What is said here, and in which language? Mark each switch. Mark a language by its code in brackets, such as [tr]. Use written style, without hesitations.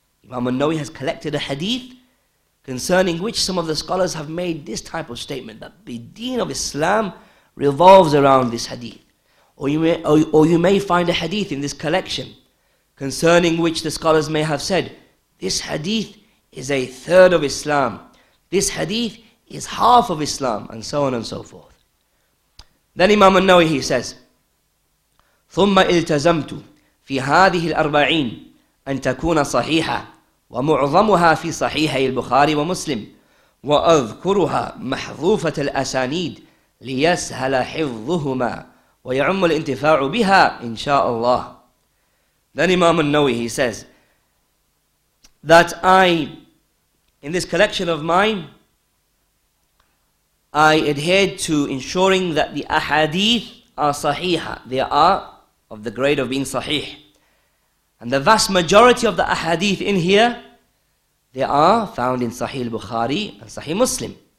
[en] Imam An-Nawi has collected a hadith concerning which some of the scholars have made this type of statement, that the deen of Islam revolves around this hadith. Or you may find a hadith in this collection concerning which the scholars may have said, this hadith is a third of Islam, this hadith is half of Islam, and so on and so forth. Then Imam An-Nawi, he says, [ar] ثُمَّ إِلْتَزَمْتُ فِي هَذِهِ الْأَرْبَعِينَ أَنْ تَكُونَ صَحِيحًا ومعظمها في صحيحي البخاري ومسلم وأذكرها محذوفة الأسانيد ليسهل حفظهما ويعم الانتفاع بها إن شاء الله. [en] Then Imam An-Nawi, he says that I, in this collection of mine, I adhered to ensuring that the ahadith are sahiha, they are of the grade of being sahih, and the vast majority of the ahadith in here, they are found in Sahih al-Bukhari and Sahih Muslim.